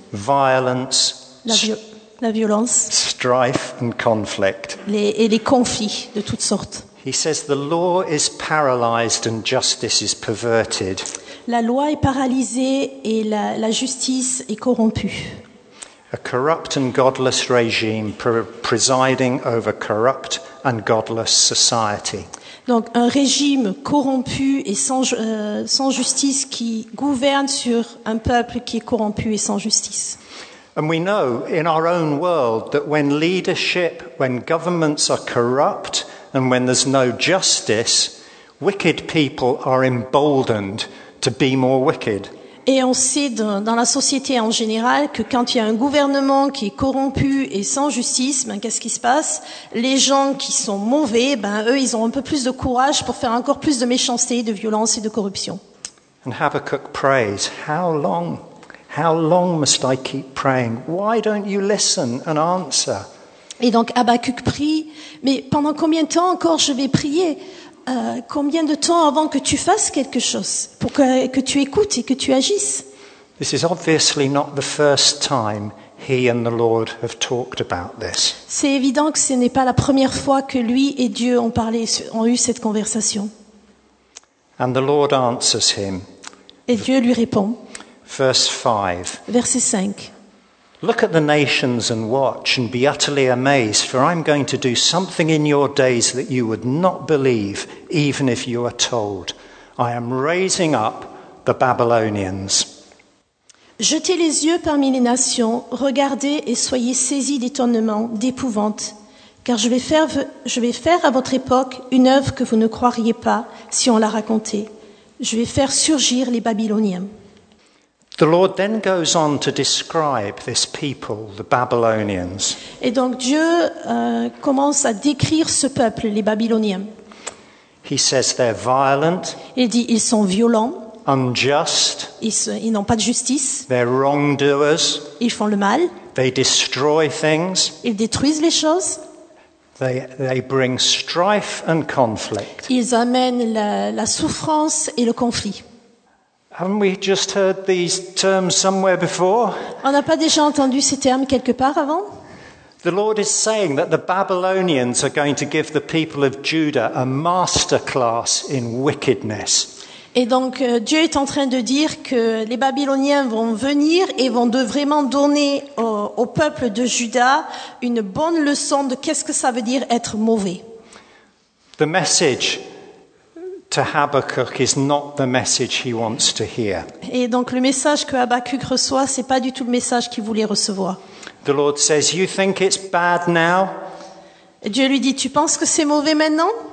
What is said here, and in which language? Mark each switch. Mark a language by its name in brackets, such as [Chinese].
[English] Violence. [French] La violence, [English] strife and conflict. [French] Les conflits de toutes sortes. [English] He says the law is paralyzed and justice is perverted. [French] La loi est paralysée et la justice est corrompue. [English] A corrupt and godless regime presiding over corrupt and godless society. [French] Donc un régime corrompu et sans justice qui gouverne sur un peuple qui est corrompu et sans justice. [English] And we know in our own world that when leadership, when governments are corrupt and when there's no justice, wicked people are emboldened to be more wicked. [French] Et on sait dans la société en général que quand il y a un gouvernement qui est corrompu et sans justice, ben qu'est-ce qui se passe? Les gens qui sont mauvais, ben eux, ils ont un peu plus de courage pour faire encore plus de méchanceté, de violence et de corruption. [English] And Habakkuk prays, how long? How long must I keep praying? Why don't you listen and answer? [French] Et donc Habakkuk prie, mais pendant combien de temps encore je vais prier? Combien de temps avant que tu fasses quelque chose pour que tu écoutes et que tu agisses? [English] This is obviously not the first time he and the Lord have talked about this. [French] C'est évident que ce n'est pas la première fois que lui et Dieu ont eu cette conversation. [English] And the Lord answers him. [French] Et Dieu lui répond. [English] Verse 5. [French] Verset 5. [English] Look at the nations and watch and be utterly amazed, for I'm going to do something in your days that you would not believe, even if you are told. I am raising up the Babylonians. [French] Jetez les yeux parmi les nations, regardez et soyez saisis d'étonnement, d'épouvante, car je vais faire à votre époque une œuvre que vous ne croiriez pas si on la racontait. Je vais faire surgir les Babyloniens. [English] The Lord then goes on to describe this people, the Babylonians. [French] Et donc Dieu commence à décrire ce peuple, les Babyloniens. [English] He says they're violent. [French] Il dit ils sont violents. [English] Unjust. [French] Ils n'ont pas de justice. [English] They're wrongdoers. [French] Ils font le mal. [English] They destroy things. [French] Ils détruisent les choses. [English] They bring strife and conflict. [French] Ils amènent la souffrance et le conflit. [English] Haven't we just heard these terms somewhere before? [French] On n'a pas déjà entendu ces termes quelque part avant? [English] The Lord is saying that the Babylonians are going to give the people of Judah a masterclass in wickedness. [French] Et donc Dieu est en train de dire que les Babyloniens vont venir et vont vraiment donner au peuple de Juda une bonne leçon de qu'est-ce que ça veut dire être mauvais. [English] The message to Habakkuk is not the message he wants to hear. [French] Et donc le message que Habakkuk reçoit, c'est pas du tout le message qu'il voulait recevoir. [English] The Lord says, "You think it's bad now?" [French] Et Dieu lui dit, tu penses que c'est mauvais maintenant?